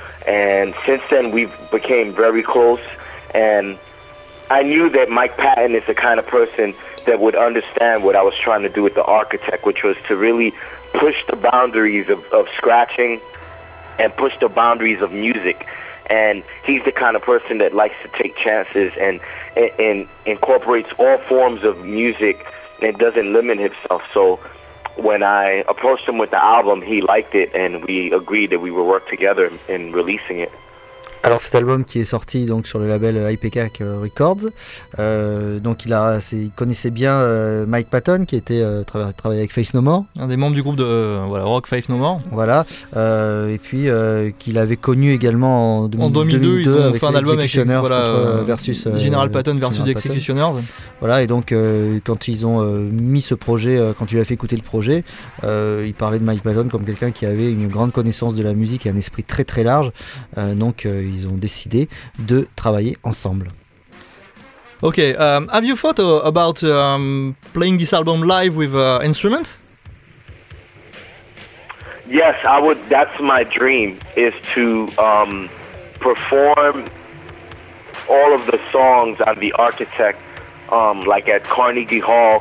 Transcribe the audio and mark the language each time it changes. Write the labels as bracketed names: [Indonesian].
[English] And since then, we've became very close. And I knew that Mike Patton is the kind of person that would understand what I was trying to do with The Architect, which was to really push the boundaries of scratching and push the boundaries of music. And he's the kind of person that likes to take chances and incorporates all forms of music and doesn't limit himself. So when I approached him with the album, he liked it and we agreed that we would work together in releasing it. [French] Alors cet album qui est sorti donc sur le label Ipecac Records, donc il connaissait bien Mike Patton qui était travaillait avec Faith No More, un des membres du groupe de rock Faith No More. Voilà, et puis qu'il avait connu également en 2002 ils ont fait un album avec versus General Patton versus The Executioners. Voilà, et donc quand ils ont mis ce projet, quand tu lui as fait écouter le projet, il parlait de Mike Patton comme quelqu'un qui avait une grande connaissance de la musique et un esprit très très large, ils ont décidé de travailler ensemble. [English] Okay, have you thought about playing this album live with instruments? Yes, I would. That's my dream, is to perform all of the songs on The Architect, like at Carnegie Hall.